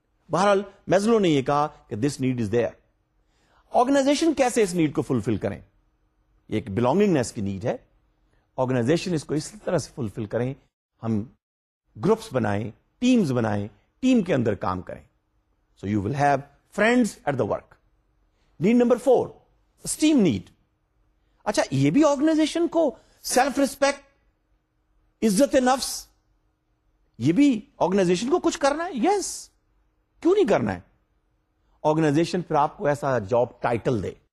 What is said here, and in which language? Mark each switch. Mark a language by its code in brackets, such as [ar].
[ur] بہرحال میزلو نے یہ کہا کہ [en] This need is there. [ur] Organization کیسے اس نیڈ کو فلفل کریں؟ یہ ایک بلانگنگنیس کی نیڈ ہے. آرگنائزیشن اس کو اس طرح سے فلفل کریں، ہم گروپس بنائیں، ٹیمز بنائیں، ٹیم کے اندر کام کریں. [en] So you will have friends at the work. Need number 4، esteem need. [ur] اچھا یہ بھی آرگنائزیشن کو سیلف ریسپیکٹ، عزت نفس، یہ بھی آرگنائزیشن کو کچھ کرنا ہے. یس، کیوں نہیں کرنا ہے؟ آرگنائزیشن پھر آپ کو ایسا جاب ٹائٹل دے.